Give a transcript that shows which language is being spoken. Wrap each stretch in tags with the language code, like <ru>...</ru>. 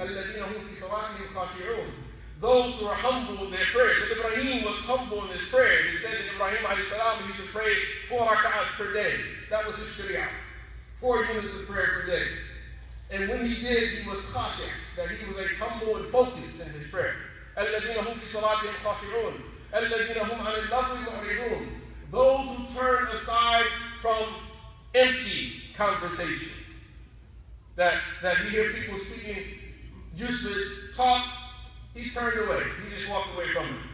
<ar>الَّذِينَ هُمْ فِي صَلَاتِهِمْ خَاشِعُونَ,</ar> <en>those who are humble in their prayers. So Ibrahim was humble in his prayer. He said that Ibrahim alayhi salam, he used to pray 4 raka'ahs per day. That was his sharia. 4 units of prayer per day. And when he did, he was khashi', that he was like humble and focused in his prayer.</en> <ar>الَّذِينَ هُمْ فِي صَلَاتِهِمْ خَاشِعُونَ, الَّذِينَ هُمْ عَنِ اللَّغْوِ مُعْرِضُونَ,</ar> <en>those who turn aside from empty conversation. That he hear people speaking useless talk, he turned away. He just walked away from it.</en>